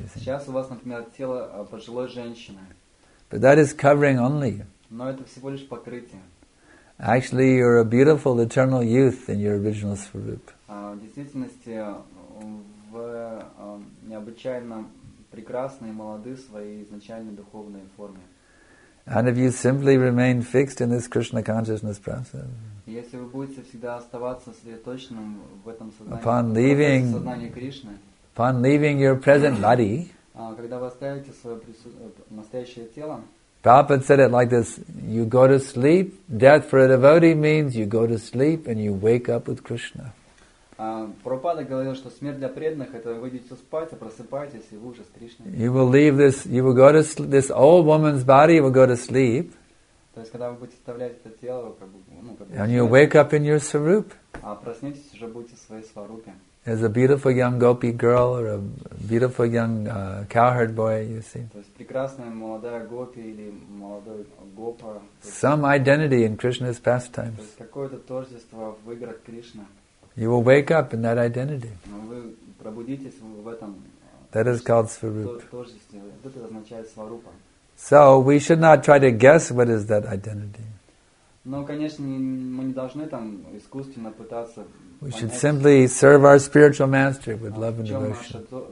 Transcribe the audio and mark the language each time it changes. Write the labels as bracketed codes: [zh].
[ru] Сейчас у вас, например, тело пожилой женщины. [en] But that is covering only. [ru] Но это всего лишь покрытие. [en] Actually, you're a beautiful eternal youth in your original Svarup. [ru] В действительности, вы необычайно прекрасны и молоды в своей изначальной духовной форме. [en] And if you simply remain fixed in this Krishna consciousness process, [ru] если вы будете всегда оставаться сосредоточенным в этом сознании, [en] upon leaving your present body, [ru] когда вы оставите свое настоящее тело, [en] Prabhupada said it like this, you go to sleep, death for a devotee means you go to sleep and you wake up with Krishna. [ru] Prabhupada говорил, что смерть для преданных это вы идете спать, а просыпаетесь, и вы уже с Кришной. [en] You will leave this, you will go to sleep, this old woman's body will go to sleep. [ru] То есть, когда вы будете оставлять это тело, вы как бы, [en] And you wake up in your Svarup. [ru] А проснетесь, уже будете в своей Сварупе. [en] As a beautiful young gopi girl or a beautiful young cowherd boy, you see. [ru] То есть прекрасная молодая гопи или молодой гопа. [en] Some identity in Krishna's pastimes. [ru] То есть какое-то тождество в играх Кришны. [en] You will wake up in that identity. [ru] Вы пробудитесь в этом. [en] That is called Svarup. [ru] Тождество. Это означает Сварупа. [en] So we should not try to guess what is that identity. [ru] Но, конечно, мы не должны там искусственно пытаться. [en] We should simply serve our spiritual master with love and devotion.